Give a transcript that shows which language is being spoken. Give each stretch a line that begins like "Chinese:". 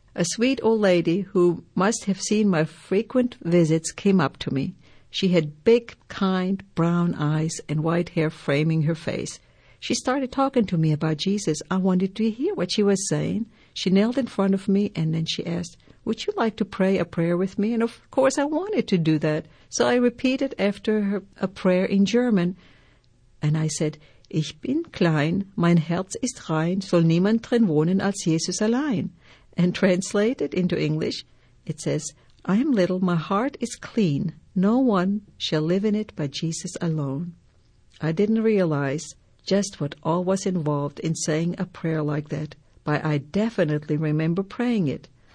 English: A sweet old lady who must have seen my frequent visits came up to me. She had big, kind, brown eyes and white hair framing her face. She started talking to me about Jesus. I wanted to hear what she was saying. She knelt in front of me and then she asked, Would you like to pray a prayer with me? And of course I wanted to do that. So I repeated after her a prayer in German and I said,
German: Ich bin klein, mein Herz ist rein, soll niemand drin wohnen als Jesus allein.
English: And translated into English, it says, I am little, my heart is clean, no one shall live in it but Jesus alone. I didn't realize just what all was involved in saying a prayer like that, but I definitely remember praying it.